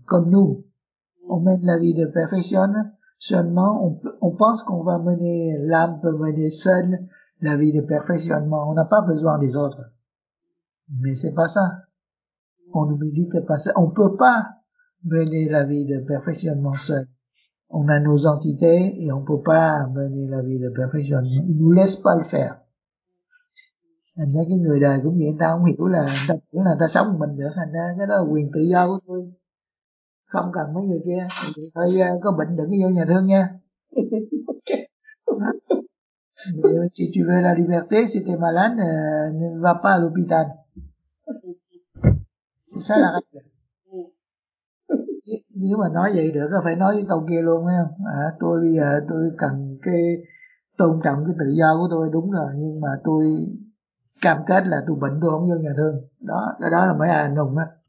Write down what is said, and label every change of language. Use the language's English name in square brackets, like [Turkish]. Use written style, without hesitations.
[French] Comme nous, on mène la vie de perfection, seulement on pense qu'on va mener, l'âme peut mener seule la vie de perfectionnement. On n'a pas besoin des autres. Mais c'est pas ça. On ne médite pas ça. On peut pas mener la vie de perfectionnement seul. On a nos entités et on peut pas mener la vie de perfection. Ils nous laissent pas le faire. [Vietnamese] Thành ra cái người đời cũng vậy, ta không hiểu là ta tưởng là ta sống một mình được, thành ra cái đó là quyền tự do của tôi. Không cần mấy người kia. Thôi có bệnh đừng có vô nhà thương nha. [French] Si tu veux la liberté, si t'es malade, ne va pas à l'hôpital. C'est ça la règle. [Vietnamese] Nếu mà nói vậy được, phải nói cái câu kia luôn, phải không? À, tôi bây giờ tôi cần cái tôn trọng cái tự do của tôi, đúng rồi. Nhưng mà tôi cam kết là tôi bệnh, tôi không vô nhà thương. Đó, cái đó là mấy anh hùng á.